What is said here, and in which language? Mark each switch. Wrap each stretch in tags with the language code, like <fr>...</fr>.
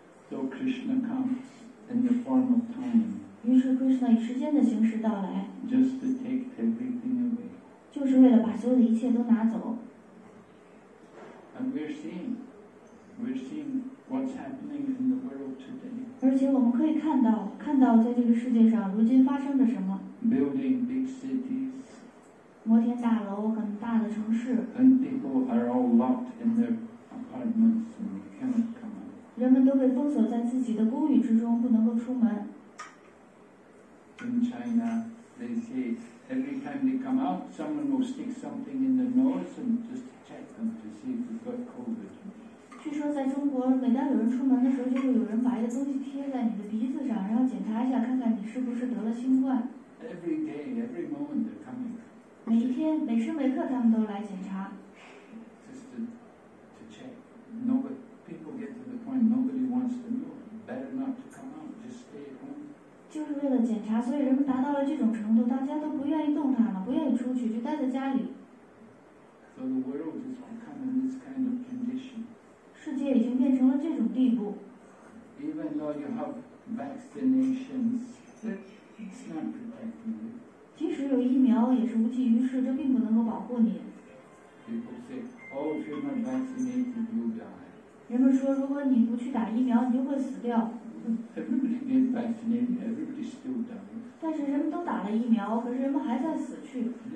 <en>So Krishna comes in the form of time.</en> <zh>于是 Krishna 以时间的形式到来。</zh> <en>Just to take everything away.</en> <zh>就是为了把所有的一切都拿走。</zh> <en>And we're seeing. We're seeing what's happening in the world today.</en> <zh>而且我们可以看到，看到在这个世界上如今发生着什么。</zh> <en>Building big cities.</en> <zh>摩天大楼，很大的城市。</zh> <en>And people are all locked in their apartments and cannot come out.</en> <zh>人们都被封锁在自己的公寓之中，不能够出门。</zh> <en>In China, they say every time they come out, someone will stick something in their nose and just check them to see if they've got COVID.</en> <zh>据说在中国，每当有人出门的时候，就会有人把一个东西贴在你的鼻子上，然后检查一下，看看你是不是得了新冠。</zh> <en>Every day, every moment they're coming.</en> <zh>每一天，每时每刻，他们都来检查。</zh> <en>Just to check. Nobody, people get to the point nobody wants to know. Better not to come out. Just stay at home.</en> <zh>就是为了检查，所以人们达到了这种程度，大家都不愿意动弹了，不愿意出去，就待在家里。</zh> <en>So the world is becoming this kind of condition.</en> <zh>世界已经变成了这种地步。</zh> <en>Even though you have vaccinations, it's not protecting you.</en> <zh>即使有疫苗，也是无济于事，这并不能够保护你。</zh> <en>People say, "Oh, if you're not vaccinated, you'll die."</en> <zh>人们说，如果你不去打疫苗，你就会死掉。</zh> <en>Everybody gets vaccinated, everybody still dies.</en> <zh>但是人们都打了疫苗，可是人们还在死去。</zh>